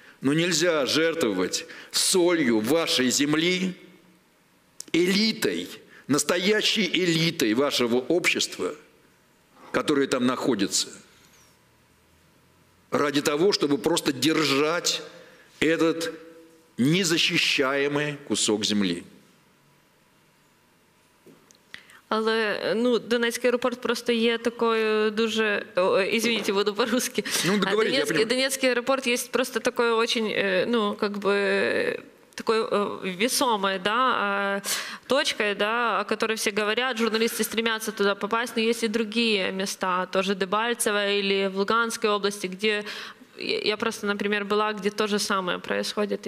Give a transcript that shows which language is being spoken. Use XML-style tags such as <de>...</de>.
<ru>Но нельзя жертвовать солью вашей земли, элитой, настоящей элитой вашего общества, которая там находится, ради того, чтобы просто держать этот незащищаемый кусок земли.</ru> <uk>Але ну Донецький аеропорт просто є такою дуже</uk> <ru>извините, буду по-русски. Ну,</ru> <uk>Донецький аеропорт є просто такою</uk> <ru>очень, ну, как бы такой весомой, да, точкой, да, о которой все говорят, журналисты стремятся туда попасть, но есть и другие места, тоже Дебальцево или в Луганской области, где я просто, например, была, где то же самое происходит.</ru>